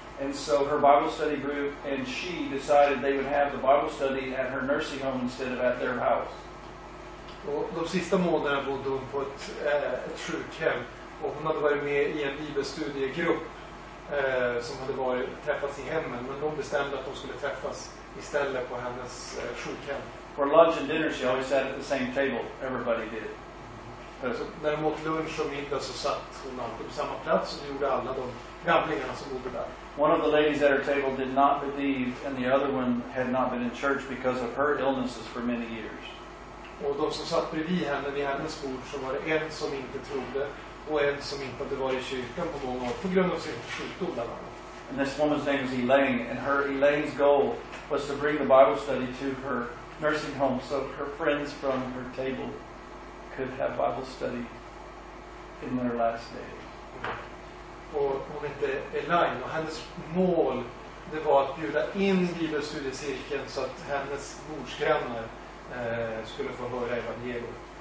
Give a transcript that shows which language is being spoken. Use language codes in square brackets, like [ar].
[en] And so her Bible study group and she decided they would have the Bible study at her nursing home instead of at their house. [sv] De sista månaderna bodde hon på ett sjukhem, och hon hade varit med i en bibelstudiegrupp som hade varit träffats i hemmen, men de bestämde att de skulle träffas istället på hennes sjukhem. [en] For lunch and dinner she always sat at the same table, everybody did. [sv] När de åt lunch och middag så satt hon alltid på samma plats, och gjorde alla de gamlingarna som bodde där. [en] One of the ladies at her table did not believe, and the other one had not been in church because of her illnesses for many years. [sv] Och de som satt bredvid henne vid hennes bord, så var det en som inte trodde och en som inte hade varit i kyrkan på många år på grund av sin sjukdom bland annat. [en] And this woman's name is Elaine, and Elaine's goal was to bring the Bible study to her nursing home so her friends from her table could have Bible study in their last days. [sv] Och hon hette Elaine, och hennes mål det var att bjuda in bibelstudiecirkeln så att hennes morsgrannar skulle få höra evangeliet.